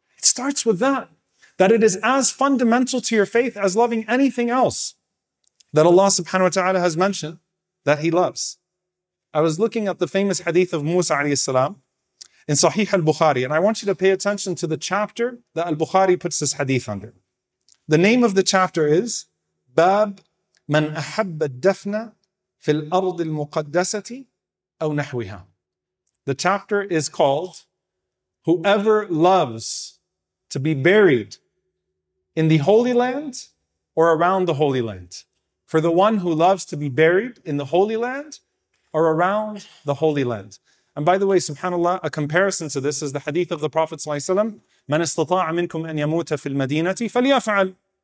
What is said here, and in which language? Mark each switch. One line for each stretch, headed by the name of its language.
English: It starts with that, that it is as fundamental to your faith as loving anything else that Allah subhanahu wa ta'ala has mentioned that He loves. I was looking at the famous hadith of Musa alayhi salam in Sahih al-Bukhari, and I want you to pay attention to the chapter that al-Bukhari puts this hadith under. The name of the chapter is Bab
Arabic: من أحب الدفن في الأرض المقدسة أو نحوها.
English: The chapter is called Whoever Loves to be Buried in the Holy Land or Around the Holy Land. For the one who loves to be buried in the Holy Land or around the Holy Land. And by the way, subhanAllah, a comparison to this is the hadith of the Prophet ﷺ,
Arabic: مَنْ اسْتَطَاعَ مِنْكُمْ أَنْ يَمُوتَ فِي الْمَدِينَةِ فَلْيَفْعَلْ.